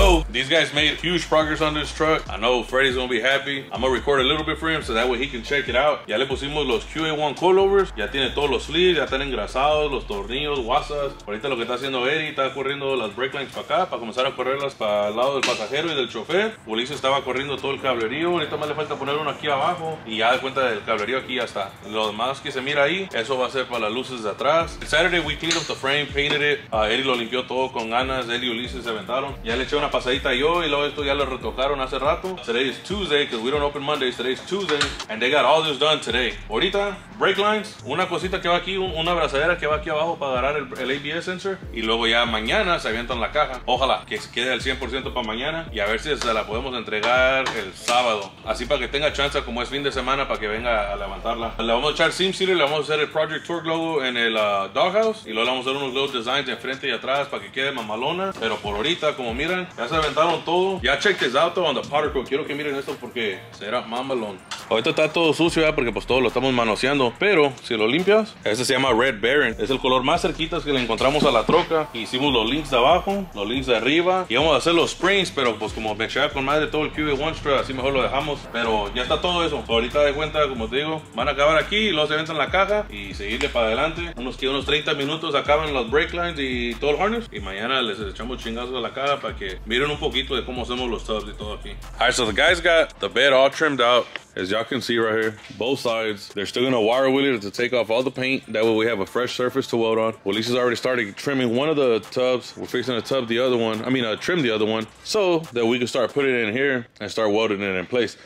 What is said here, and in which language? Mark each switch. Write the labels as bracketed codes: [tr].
[en] These guys made huge progress on this truck. I know Freddy's gonna be happy. I'm gonna record a little bit for him so that way he can check it out. [es] Ya le pusimos los QA1 coilovers. Ya tiene todos los sleeves, ya están engrasados, los tornillos, wasas. Ahorita lo que está haciendo Eddie, está corriendo las brake lines para acá, para comenzar a correrlas para el lado del pasajero y del chofer. Ulises estaba corriendo todo el cablerío. Ahorita más le falta poner uno aquí abajo. Y ya de cuenta del cablerío aquí ya está. Lo demás que se mira ahí, eso va a ser para las luces de atrás. [en] El Saturday we cleaned up the frame, painted it. [es] Eddie lo limpió todo con ganas. Eddie y Ulises se aventaron. Ya le eché una pasadita. Yo y luego esto ya lo retocaron hace rato. [en] Today is Tuesday, because we don't open Mondays. Today is Tuesday, and they got all this done today. [es] Ahorita, brake lines, una cosita que va aquí, una abrazadera que va aquí abajo para agarrar el ABS sensor, y luego ya mañana se avientan la caja. Ojalá que se quede al 100% para mañana, y a ver si se la podemos entregar el sábado. Así para que tenga chance, como es fin de semana, para que venga a levantarla. Le vamos a echar Seam Sealer, le vamos a hacer el Project Torque logo en el doghouse, y luego le vamos a hacer unos little designs de frente y atrás para que quede mamalona. Pero por ahorita, como miran, ya se aventaron montaron todo. [en] Ya check this out though on the powder coat. [es] Quiero que miren esto porque será mamalón. Ahorita está todo sucio ya porque pues todo lo estamos manoseando. Pero si lo limpias, este se llama Red Baron. Es el color más cerquita que le encontramos a la troca. Hicimos los links de abajo, los links de arriba. Y vamos a hacer los springs, pero pues como me echaba con más de todo el QB One Strut, así mejor lo dejamos. Pero ya está todo eso. Ahorita de cuenta, como te digo, van a acabar aquí y luego se venden la caja y seguirle para adelante. Unos 30 minutos acaban los brake lines y todo el harness. Y mañana les echamos chingazos a la caja para que miren un poquito de cómo hacemos los tubs y todo aquí. [en] Alright, so the guys got the bed all trimmed out. As y'all can see right here, both sides, they're still gonna wire wheel it to take off all the paint. That way we have a fresh surface to weld on. Well, Lisa's already started trimming one of the tubs. We're fixing to tub the other one. I mean, trim the other one so that we can start putting it in here and start welding it in place.